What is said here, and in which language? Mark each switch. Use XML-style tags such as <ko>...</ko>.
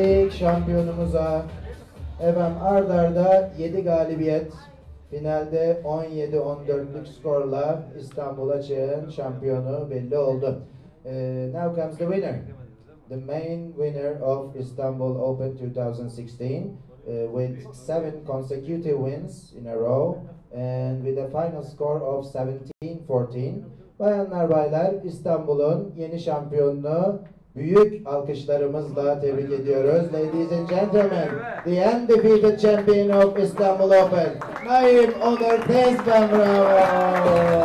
<tr>Şampiyonumuza efendim ard arda 7 galibiyet, finalde 17-14'lük skorla İstanbul Açık'ın şampiyonu belli oldu.</tr> <en>Now comes the winner, the main winner of Istanbul Open 2016 with 7 consecutive wins in a row and with a final score of 17-14.</en> <tr>Bayanlar baylar, İstanbul'un yeni şampiyonunu büyük alkışlarımızla tebrik ediyoruz.</tr> <en>Ladies and gentlemen, the undefeated champion of Istanbul Open, Naim Onur Tezcan, bravo!</en>